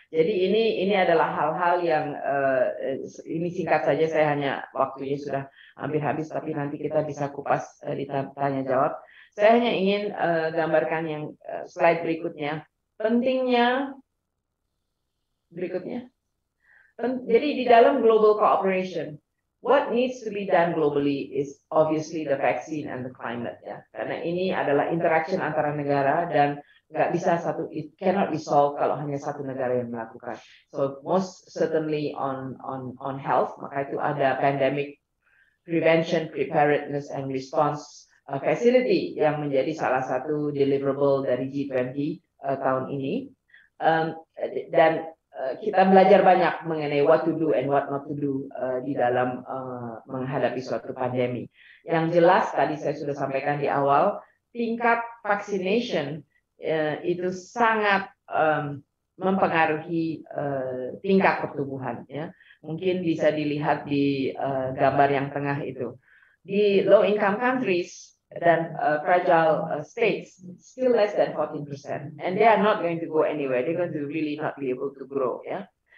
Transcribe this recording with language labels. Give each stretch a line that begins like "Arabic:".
Indonesian: Jadi ini adalah hal-hal yang ini singkat saja, saya hanya waktunya sudah hampir habis, tapi nanti kita bisa kupas di tanya jawab. Saya hanya ingin gambarkan yang slide berikutnya. Pentingnya berikutnya. Jadi di dalam
English: global cooperation, what needs to be done globally is obviously the vaccine and the climate, ya.
Indonesian: Karena ini adalah interaction antara negara dan nggak bisa satu,
English: it cannot be solved
Indonesian: kalau hanya satu negara yang melakukan.
English: So most certainly on health,
Indonesian: maka itu ada
English: pandemic prevention, preparedness and response facility
Indonesian: yang menjadi salah satu deliverable dari G20 tahun ini. Dan kita belajar banyak mengenai
English: what to do and what not to do
Indonesian: di dalam menghadapi suatu pandemi. Yang jelas tadi saya sudah sampaikan di awal, tingkat vaccination itu sangat mempengaruhi tingkat pertumbuhan, ya. Mungkin bisa dilihat di gambar yang tengah itu.
English: Di low income countries dan fragile states, still less than 14%, and they are not going to go anywhere. They're going to really not be able to grow, ya.